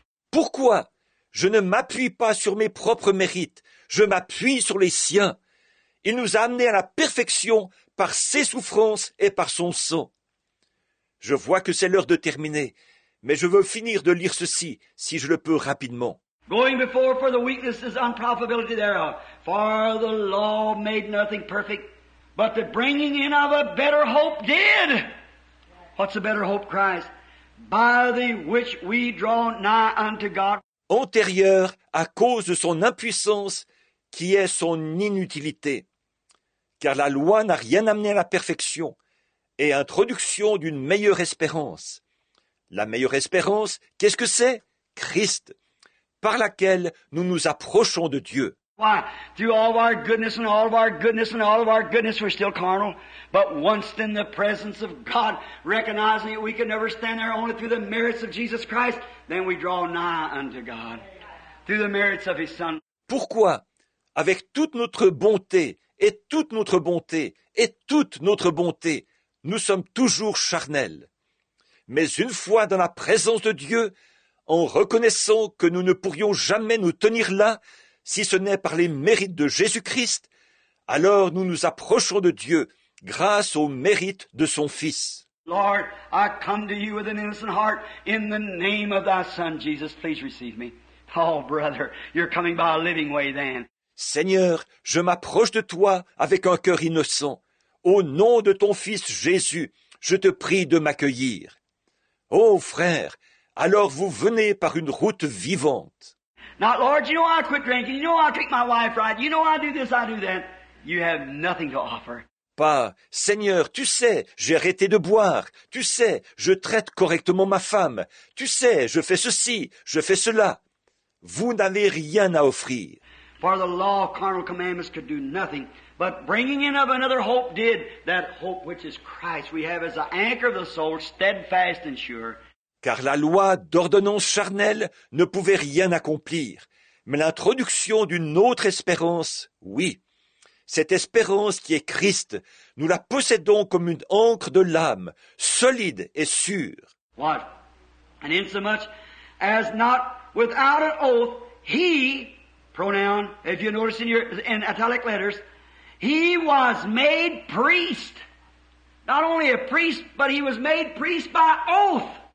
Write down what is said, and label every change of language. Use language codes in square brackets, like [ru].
[fr] Pourquoi? Je ne m'appuie pas sur mes propres mérites. Je m'appuie sur les siens. Il nous a amenés à la perfection par ses souffrances et par son sang. Je vois que c'est l'heure de terminer, mais je veux finir de lire ceci, si je le peux rapidement. [en] Going before for the weakness is unprofitability thereof. For the law made nothing perfect, but the bringing in of a better hope did. What's a better hope, Christ? By the which we draw nigh unto God. [fr] Antérieur à cause de son impuissance, qui est son inutilité. Car la loi n'a rien amené à la perfection et introduction d'une meilleure espérance. La meilleure espérance, qu'est-ce que c'est? Christ, par laquelle nous nous approchons de Dieu. [en] Why? Through all of our goodness and all of our goodness and all of our goodness, we're still carnal. But once in the presence of God, recognizing that we can never stand there only through the merits of Jesus Christ, then we draw nigh unto God through the merits of His Son. [fr] Pourquoi, avec toute notre bonté et toute notre bonté et toute notre bonté, nous sommes toujours charnels? Mais une fois dans la présence de Dieu, en reconnaissant que nous ne pourrions jamais nous tenir là, si ce n'est par les mérites de Jésus-Christ, alors nous nous approchons de Dieu grâce au mérite de son Fils. [en] Lord, I come to you with an innocent heart in the name of thy Son, Jesus. Please receive me. Oh, brother, you're coming by a living way then. [fr] Seigneur, je m'approche de toi avec un cœur innocent. Au nom de ton Fils Jésus, je te prie de m'accueillir. Oh, frère, alors vous venez par une route vivante. [en] Now, Lord, you know I quit drinking. You know I treat my wife right. You know I do this, I do that. You have nothing to offer. [fr] Pas, Seigneur, tu sais, j'ai arrêté de boire. Tu sais, je traite correctement ma femme. Tu sais, je fais ceci, je fais cela. Vous n'avez rien à offrir. [en] For the law of carnal commandments could do nothing, but bringing in of another hope did, that hope which is Christ we have as an anchor of the soul, steadfast and sure. [fr] Car la loi d'ordonnance charnelle ne pouvait rien accomplir, mais l'introduction d'une autre espérance, oui. Cette espérance qui est Christ, nous la possédons comme une ancre de l'âme, solide et sûre. [en] What? And insomuch as not without an oath, he, pronoun, if you notice in your in italic letters, he was made priest. Not only a priest, but he was made priest by oath.